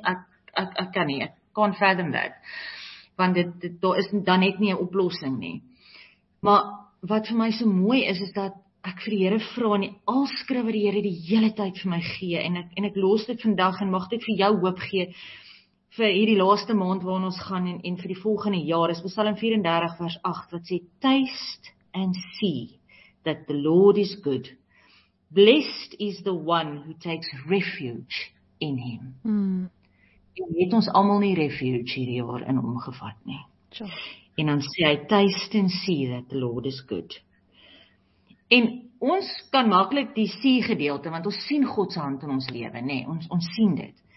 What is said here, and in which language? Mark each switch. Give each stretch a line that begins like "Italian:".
Afrikaans: Ek kan nie. Ek kan verder met. Want dit, daar is dan net nie een oplossing nie. Maar wat vir my so mooi is, is dat ek vir die Here vra, en al skrywe die Here die hele tyd vir my gee, en ek los dit vandag, en mag dit vir jou hoop gee, vir hierdie laaste maand waar ons gaan en vir die volgende jaar, is Psalm 34 vers 8, wat sê,
English: taste and see that the Lord is good. Blessed is the one who takes refuge in him.
Afrikaans: En het ons allemaal nie refuge hierdie jaar in omgevat nie.
English: Sure.
Afrikaans: En dan sê hy,
English: taste and see that the Lord is good.
Afrikaans: En ons kan makkelijk die see gedeelte, want ons sien Godse hand in ons leven, nee, ons sien dit.